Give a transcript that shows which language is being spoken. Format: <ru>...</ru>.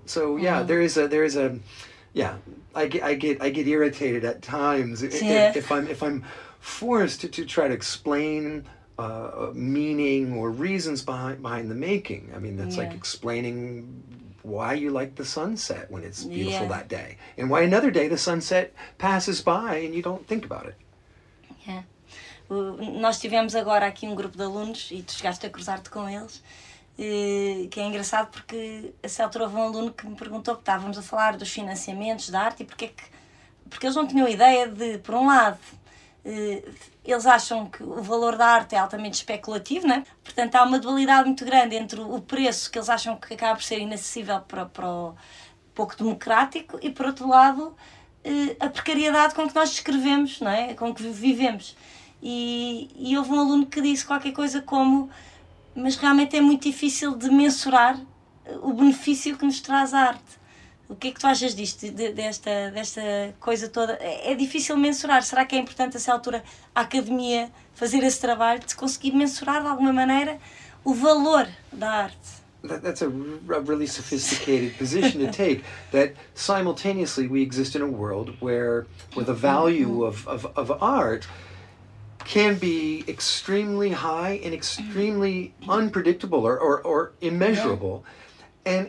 <en>So yeah, mm-hmm. there is a yeah, I get irritated at times if I'm forced to try to explain meaning or reasons behind the making. I mean, that's like explaining why you like the sunset when it's beautiful that day, and why another day the sunset passes by and you don't think about it. Yeah.</en> <pt>Nós tivemos agora aqui grupo de alunos, e tu chegaste a cruzar-te com eles, que é engraçado porque a certa altura houve aluno que me perguntou, que estávamos a falar dos financiamentos da arte, e porque eles não tinham ideia de, por um lado, eles acham que o valor da arte é altamente especulativo, não é? Portanto, há uma dualidade muito grande entre o preço que eles acham que acaba por ser inacessível para o pouco democrático e, por outro lado, a precariedade com que nós descrevemos, não é? Com que vivemos. E houve um aluno que disse qualquer coisa como, mas realmente é muito difícil de mensurar o benefício que nos traz a arte. O que é que tu achas disto, desta coisa toda? É difícil mensurar. Será que é importante, a essa altura, a academia fazer esse trabalho de conseguir mensurar, de alguma maneira, o valor da arte?</pt> <en>That's a really sophisticated position to take, that simultaneously we exist in a world where the value of art can be extremely high and extremely unpredictable or immeasurable. Yeah.</en>